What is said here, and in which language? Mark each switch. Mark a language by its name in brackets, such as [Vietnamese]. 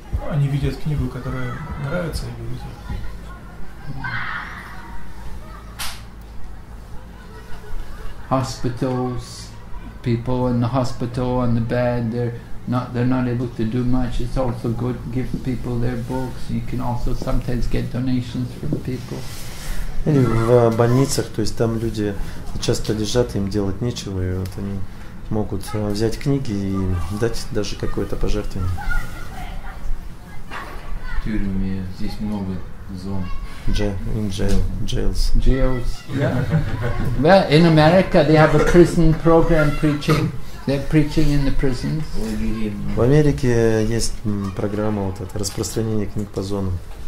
[Russian] Они видят книгу, которая нравится, и берут ее. [English] Hospitals, people in the hospital on the bed, they're not able to do much. It's also good to give people their books. You can also sometimes get donations from people. [Russian] Или в больницах, то есть там люди часто лежат, им делать нечего, и вот они могут взять книги и дать даже какое-то пожертвование. В тюрьме здесь много зон. [English] In jails. Yeah. Well, in America they have a prison program preaching. They're preaching in the prisons. [Russian] В Америке есть программа вот эта распространение книг по зонам.